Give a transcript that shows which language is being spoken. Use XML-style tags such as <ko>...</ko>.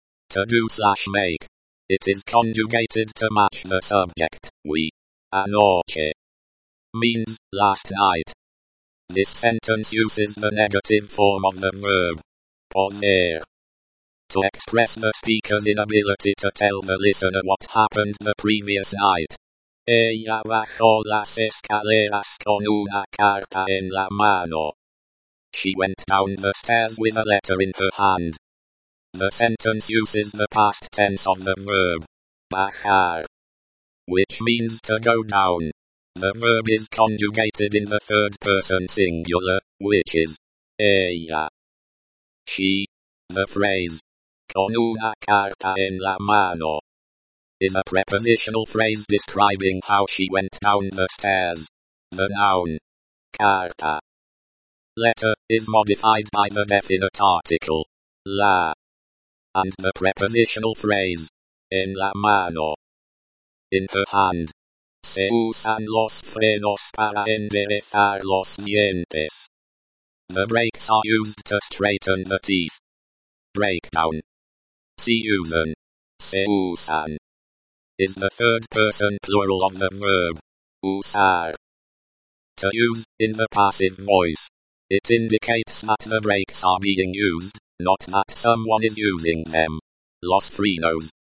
<en>To do slash make. It is conjugated to match the subject, we. Anoche. Means, last night. This sentence uses the negative form of the verb. Poner. To express the speaker's inability to tell the listener what happened the previous night.</en> <es>Ella bajó las escaleras con una carta en la mano.</es> <en>She went down the stairs with a letter in her hand. The sentence uses the past tense of the verb. Bajar. Which means to go down. The verb is conjugated in the third person singular, which is ella. She. The phrase</en> <es>con una carta en la mano</es> <en>is a prepositional phrase describing how she went down the stairs. The noun carta letter is modified by the definite article la and the prepositional phrase</en> <es>en la mano</es> <en>in her hand.</en> <es>Se usan los frenos para enderezar los dientes.</es> <en>The brakes are used to straighten the teeth. Breakdown.</en> <es>Se usan. Se usan.</es> <en>Is the third person plural of the verb. Usar. To use, in the passive voice. It indicates that the brakes are being used, not that someone is using them.</en> <es>Los frenos.</es>